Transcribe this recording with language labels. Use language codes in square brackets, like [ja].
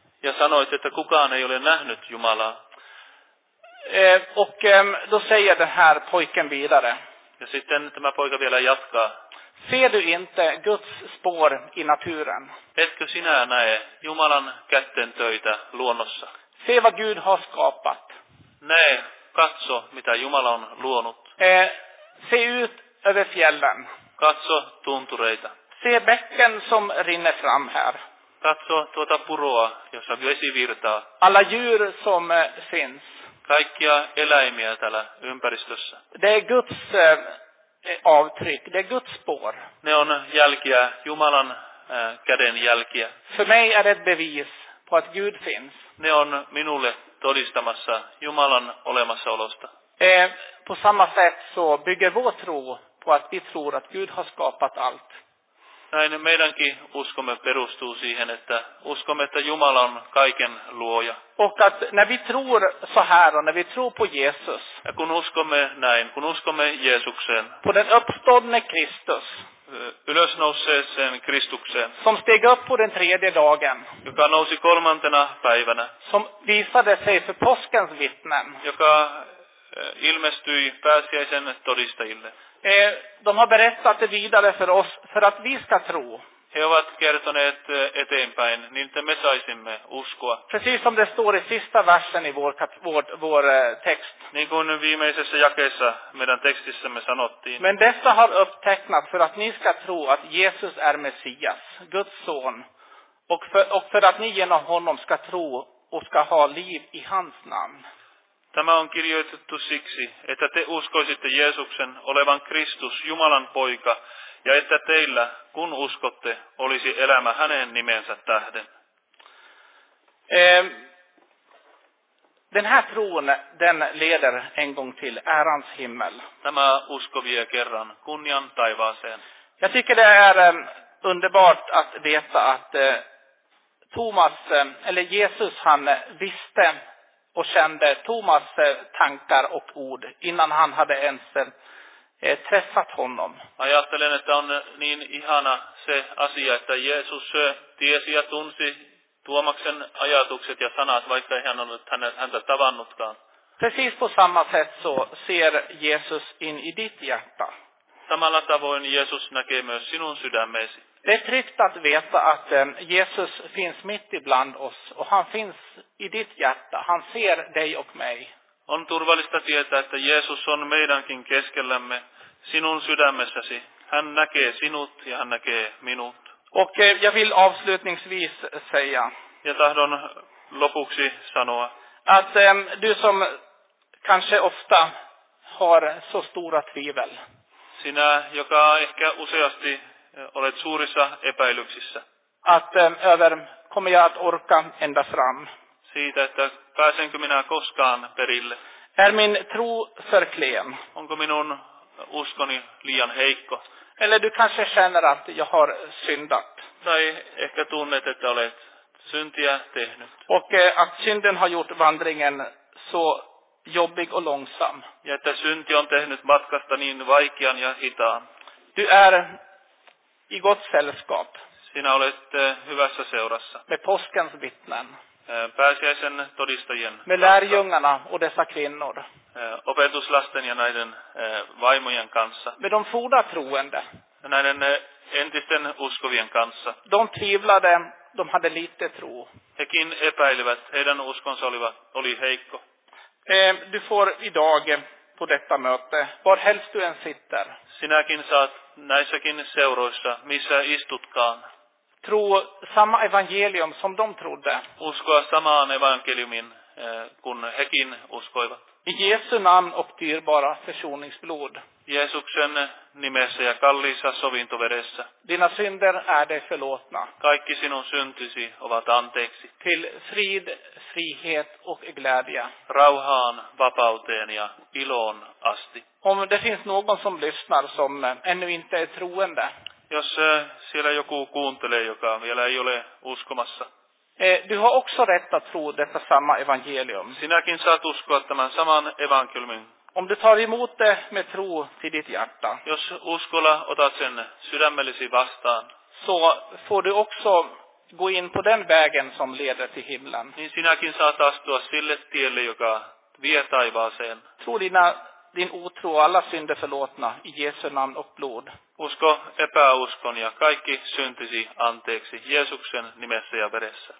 [fi] Ja sanoit, että kukaan ei ole nähnyt Jumalaa. [sv] Och då säger den här pojken vidare. [fi] Ja sitten tämä poika vielä jatkaa. [sv] Ser du inte Guds spår i naturen? [fi] Etkö sinä näe Jumalan kätten töitä luonnossa? [sv] Se vad Gud har skapat. [fi] Näe. Katso, mitä Jumala on luonut. [sv] Se ut över fjällen. [fi] Katso tuntureita. [sv] Se bäcken som rinner fram här. [fi] Katso tuota puroa, jossa vesi virtaa. [sv] Alla djur som finns. [fi] Kaikkia eläimiä täällä ympäristössä. [sv] Det är Guds avtryck, det är Guds spår. [fi] Ne on jälkiä, Jumalan käden jälkiä. [sv] För mig är det ett bevis på att Gud finns. [fi] Ne on minulle todistamassa Jumalan olemassaolosta. [sv] På samma sätt så bygger vår tro på att vi tror att Gud har skapat allt. [fi] Näin meidänkin uskomme perustuu siihen, että uskomme, että Jumala on kaiken luoja. [sv] Och att när vi tror så här och när vi tror på Jesus. [fi] Ja kun uskomme näin, kun uskomme Jeesukseen. [sv] På den uppståndne Kristus. [fi] Ylösnouseeseen Kristukseen. [sv] Som steg upp på den tredje dagen. [fi] Joka nousi kolmantena päivänä. [sv] Som visade sig för påskens vittnen. [fi] Joka ilmestyi pääsiäisen todistajille. [sv] De har berättat det vidare för oss för att vi ska tro. [fi] He ovat kertoneet eteenpäin, niin te me saisimme uskoa. [sv] Precis som det står i sista versen i vår text. [fi] Niin kuin viimeisessä jakeessa meidän tekstissämme sanottiin. [sv] Men dessa har upptecknat för att ni ska tro att Jesus är Messias, Guds son. Och för att ni genom honom ska tro och ska ha liv i hans namn. [fi] Tämä on kirjoitettu siksi, että te uskoisitte Jeesuksen olevan Kristus, Jumalan poika, ja että teillä, kun uskotte, olisi elämä hänen nimensä tähden. [sv] Den här tron, den leder en gång till ärans himmel. [fi] Tämä usko vie kerran kunnian taivaaseen. [sv] Jag tycker det är underbart att veta att Thomas, eller Jesus, han visste och kände Thomas tankar och ord innan han hade ens träffat honom. [fi] Ajattelen, että on niin ihana se asia, että Jeesus tiesi ja tunsi Tuomaksen ajatukset ja sanat, vaikka ei hän ollut häntä tavannutkaan. [sv] Precis på samma sätt så ser Jesus in i ditt hjärta. [fi] Samalla tavoin Jeesus näkee myös sinun sydämesi. [sv] Det är tryggt att veta att Jesus finns mitt ibland oss och han finns i ditt hjärta. Han ser dig och mig. [fi] On turvallista tietää, että Jeesus on meidänkin keskellämme, sinun sydämessäsi. Hän näkee sinut ja hän näkee minut. [sv] Och jag vill avslutningsvis säga. [fi] Ja tahdon lopuksi sanoa. [sv] Att du som kanske ofta har så stora tvivel. [fi] Sinä, joka ehkä useasti olet suurissa epäilyksissä. [sv] Att över kommer jag att orka ända fram. [fi] Siitä, että pääsenkö minä koskaan perille. [sv] Är min tro för klen? [fi] Onko minun uskoni liian heikko? [sv] Eller du kanske känner att jag har syndat. [fi] Tai ehkä tunnet, että olet syntiä tehnyt. [sv] Och att synden har gjort vandringen så jobbig och långsam. [fi] Ja että synti on tehnyt matkasta niin vaikean ja hitaan. [sv] Du är i gott sällskap. [fi] Sinä olet hyvässä seurassa. [sv] Med påskens vittnen. [fi] Pääsiäisen todistajien. [sv] Med lärjungarna och dessa kvinnor. [fi] Opetuslasten ja näiden vaimojen kanssa. [sv] Med de forna troende. [fi] Näiden entisten uskovien kanssa. [sv] De tvivlade, de hade lite tro. [fi] Hekin epäilivät, heidän uskonsa oli heikko. [sv] Du får idag på detta möte, var helst du än sitter. [fi] Sinäkin saat näissäkin seuroissa, missä istutkaan. [sv] Tro samma evangelium som de trodde. [fi] Uskoa samaan evankeliumin, kun hekin uskoivat. [sv] I Jesu namn och dyrbara försoningsblod. [fi] Jeesuksen nimessä ja kalliissa sovintoveressä. [sv] Dina synder är dig förlåtna. [fi] Kaikki sinun syntisi ovat anteeksi. [sv] Till frid, frihet och glädje. [fi] Rauhaan, vapauteen ja iloon asti. [sv] Om det finns någon som lyssnar som ännu inte är troende. [fi] Jos siellä joku kuuntelee, joka vielä ei ole uskomassa. [sv] Du har också rätt att tro detta samma evangelium. [fi] Sinäkin saat uskoa tämän saman evankeliumin. [sv] Om du tar emot det med tro till ditt hjärta. [fi] Jos uskolla otat sen sydämellesi vastaan. [sv] Så får du också gå in på den vägen som leder till himlen. [fi] Niin sinäkin saat astua sille tielle, joka vie taivaaseen. [sv] Tro din otro och alla synder förlåtna i Jesu namn och blod. [fi] Usko epäuskon ja kaikki syntisi anteeksi Jeesuksen nimessä ja veressä.